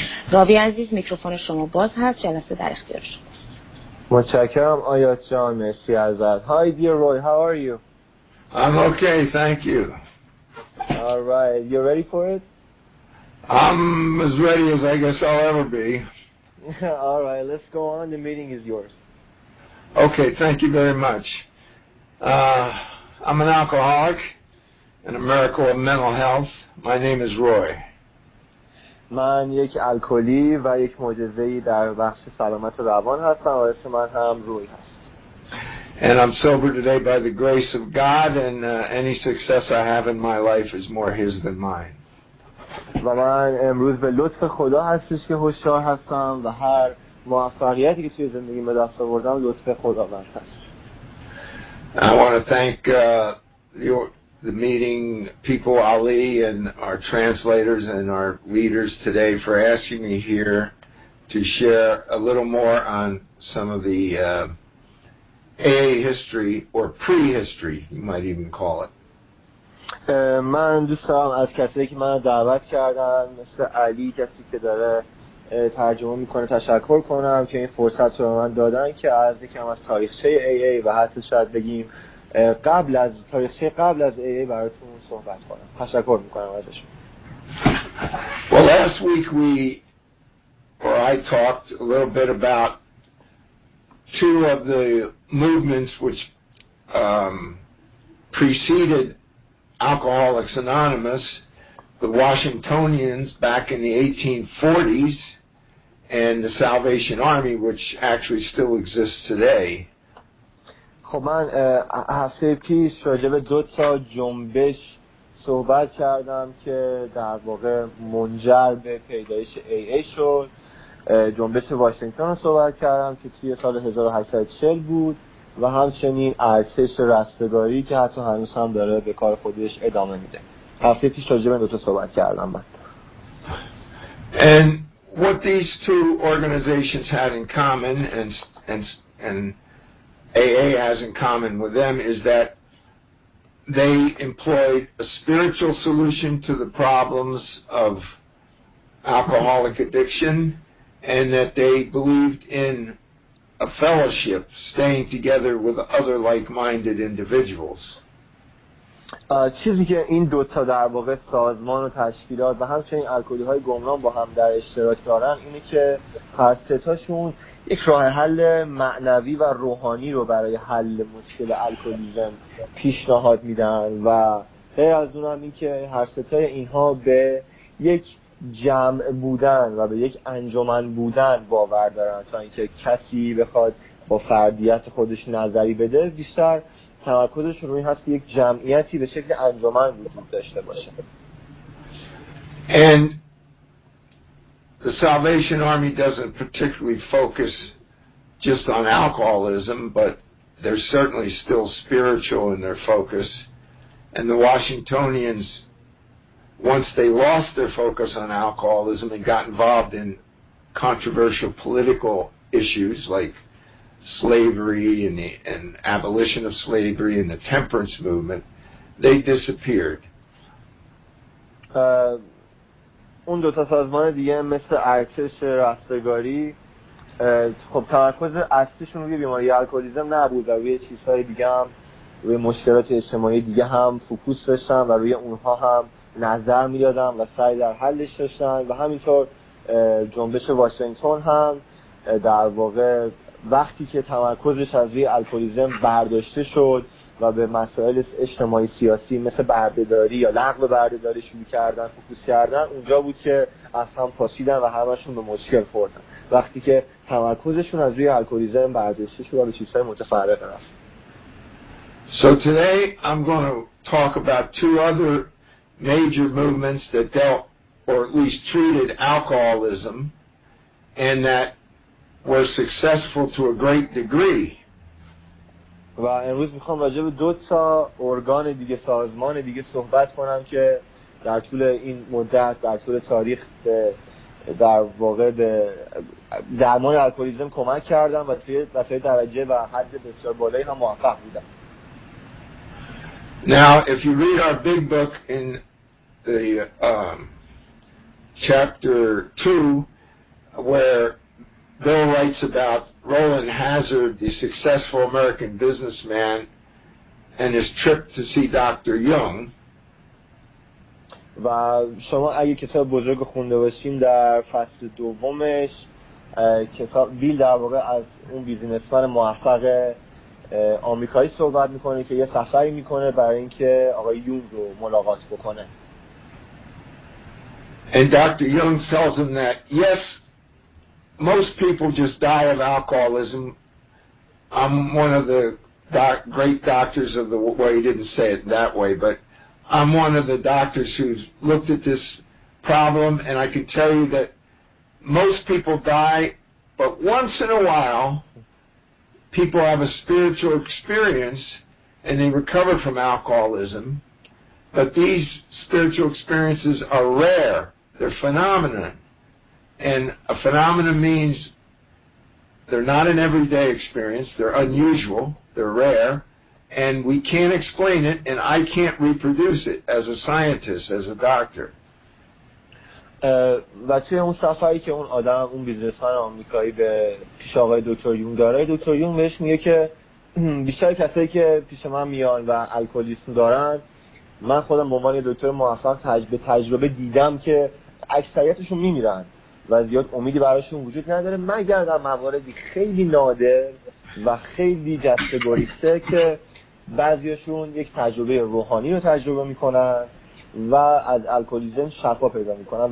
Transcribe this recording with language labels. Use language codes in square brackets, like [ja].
[fa] راوی عزیز، میکروفون شما باز هست، جلسه در اختیار شما. متشکرم آیات جان، مرسی ازت. [en] Hi dear Roy, how are you? I'm okay, thank you. All right, you ready for it? I'm as ready as I guess I'll ever be. All right, let's go on. The meeting is yours. Okay, thank you very much. I'm an alcoholic and a miracle of mental health. My name is Roy. [fa] من یک الکلی و یک معجزه‌ای در بخش سلامت روان هستم و اسم من هم روی هست. [en] And I'm sober today by the grace of God, and any success I have in my life is more His than mine. [fa] و من امروز به لطف خدا هستش که هوشیار هستم و هر موفقیتی که توی زندگی به دست آوردم لطف خداوند هست. [en] I want to thank the meeting people, Ali, and our translators and our leaders today for asking me here to share a little more on some of the AA history or prehistory, you might even call it. [fa] من دوست دارم از کسی که من دعوت کردن مثل علی، کسی که داره ترجمه میکنه، تشکر کنم که این فرصت رو من دادن که از یکم از تاریخچه AA و حتی شاید بگیم قبل از تاریخچه قبل از AA براتون صحبت کنم. تشکر میکنم ازش. [en] Well, last week I talked a little bit about two of the movements which preceded Alcoholics Anonymous, the Washingtonians back in the 1840s, and the Salvation Army, which actually still exists today. [fa] خب من هفته پیش راجع به دو تا جنبش صحبت کردم که در واقع منجر به پیدایش AA شد. جنبش واشنگتن صحبت کردم که توی سال 1840 بود و همچنین ارتش رستگاری که حتی هنوز هم داره به کار خودش ادامه میده. هفته پیش راجع به دو تا صحبت کردم من. [en] And what these two organizations had in common and AA has in common with them is that they employed a spiritual solution to the problems of alcoholic addiction, and that they believed in a fellowship, staying together with other like-minded individuals. [fa] چیزی که این دو تا در واقع سازمان و تشکیلات و همچنین الکلی‌های گمنام با هم در اشتراک دارن اینه که هر سه تاشون یک راه حل معنوی و روحانی رو برای حل مشکل الکلیزم پیشنهاد میدن و غیر از اونم این که هر ستای اینها به یک جمع بودن و به یک انجمن بودن باور دارن، تا اینکه کسی بخواد با فردیت خودش نظری بده بیشتر تمرکزش روی هست که یک جمعیتی به شکل انجمن وجود داشته باشه. [en] And the Salvation Army doesn't particularly focus just on alcoholism, but they're certainly still spiritual in their focus. And the Washingtonians, once they lost their focus on alcoholism and got involved in controversial political issues like slavery and abolition of slavery and the temperance movement, they disappeared. [fa] اون دو تا سازمان دیگه مثل ارتش رستگاری خب تمرکز اصلیشون روی بیماری الکلیزم نبود و روی چیزهای دیگه هم، روی مشکلات اجتماعی دیگه هم فوکوس داشتن و روی اونها هم نظر میدادن و سعی در حلش داشتن. و همینطور جنبش واشنگتن هم در واقع وقتی که تمرکزش از روی الکلیزم برداشته شد و به مسائل اجتماعی سیاسی مثل بردهداری یا لغو بردهداری شروع کردن فوکوس کردن، اونجا بود که از هم پاشیدن و همشون به مشکل خوردن وقتی که تمرکزشون از روی الکلیزم برداشته شد و به چیزهای متفرق رفت. [en] So today I'm going to talk about two other major movements that dealt or at least treated alcoholism and that were successful to a great degree. [fa] و امروز میخوام راجع به دو تا ارگان دیگه، سازمان دیگه صحبت کنم که در طول این مدت، در طول تاریخ به در واقع به درمان الکلیزم کمک کردم و توی درجه و حد بسیار بالایی هم موفق بودم. [en] Now if you read our big book in the chapter 2 where Bill writes about Roland Hazard, the successful American businessman, and his trip to see Dr. Jung. [fa] و شما اگه کتاب بزرگ خونده باشیم در فصل دومش کتاب بیل در واقع از اون بیزینسمن موفق آمریکایی صحبت میکنه که یه سفری میکنه برای اینکه آقای یونگ رو ملاقات بکنه. [en] And Dr. Jung tells him that yes, most people just die of alcoholism. I'm one of the great doctors of the world. Well, he didn't say it that way, but I'm one of the doctors who's looked at this problem, and I can tell you that most people die, but once in a while, people have a spiritual experience, and they recover from alcoholism, but these spiritual experiences are rare. They're phenomenon, and a phenomenon means they're not an everyday experience. They're unusual. They're rare. And we can't explain it, and I can't reproduce it as a scientist, as a doctor. [fa] و توی اون سفری که اون آدم اون بیزنسمن آمریکایی به پیش آقای دکتر یونگ داره، دکتر یونگ بهش میگه که بیشتر کسایی که پیش من میان و الکلیسم دارن، من خودم به عنوان دکتر موفق تجربه دیدم که اکثریتشون میمیرن و زیاد امیدی براشون وجود نداره، مگر در مواردی خیلی نادر و خیلی جسته گریسته که بعضیاشون یک تجربه روحانی رو تجربه میکنن و از الکلیزم شفا پیدا میکنن.